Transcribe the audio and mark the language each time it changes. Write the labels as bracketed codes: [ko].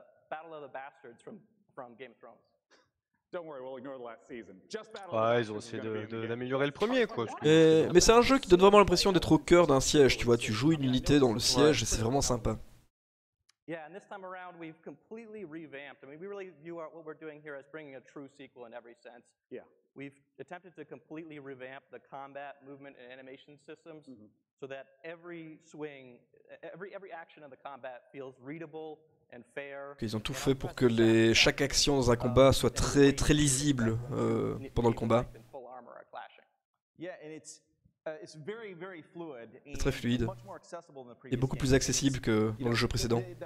[en] Battle of the Bastards from Game of Thrones. Don't worry, we'll ignore the last season. Just battle. [fr] Ouais, ils ont essayé de d'améliorer le premier, quoi. Mais c'est un jeu qui donne vraiment l'impression d'être au cœur d'un siège, tu vois. Tu joues une unité dans le siège et c'est vraiment sympa. [en] Yeah, and this time around we've completely revamped. I mean, we really view what we're doing here as bringing a true sequel in every sense. Yeah. We've attempted to completely revamp the combat, movement and animation systems so that every swing, every action of the combat feels readable. [fr] Ils ont tout fait pour que chaque action dans un combat soit très très lisible pendant le combat. C'est très fluide et beaucoup plus accessible que dans le jeu précédent.